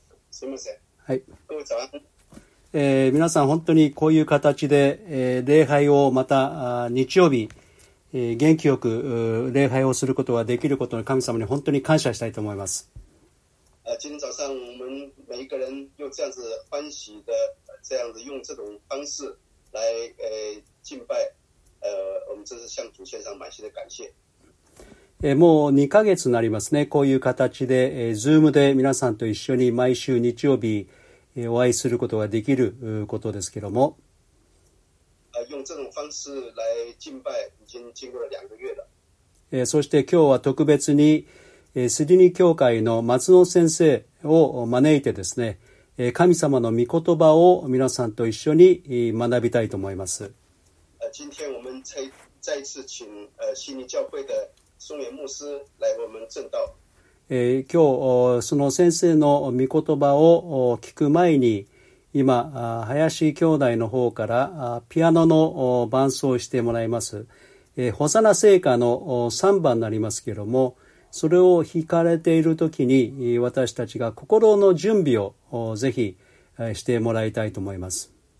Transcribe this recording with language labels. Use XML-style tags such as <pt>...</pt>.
<ja>すいません。はい、皆さん本当にこういう形で、礼拝をまた日曜日、元気よく礼拝をすることができることに神様に本当に感謝したいと思います。</ja> <zh>今天早上我们每一个人又这样子欢喜的这样子用这种方式来敬拜，我们这是向主献上满心的感谢。</zh> <ja>もう2ヶ月になりますね。こういう形で、Zoom で皆さんと一緒に毎週日曜日、お会いすることができることですけども。</ja> <zh>用这种方式来敬拜已经经过了两个月了。</zh> <ja>そして今日は特別に、スリニ教会の松野先生を招いてですね、神様の御言葉を皆さんと一緒に学びたいと思います。</ja> <zh>今天我们 再次请悉尼教会的松原牧师来我们正道。</zh> <ja>今日その先生の御言葉を聞く前に、今林兄弟の方からピアノの伴奏をしてもらいます。ホサナ聖歌の3番になりますけれども、それを弾かれているときに私たちが心の準備をぜひしてもらいたいと思います。</ja>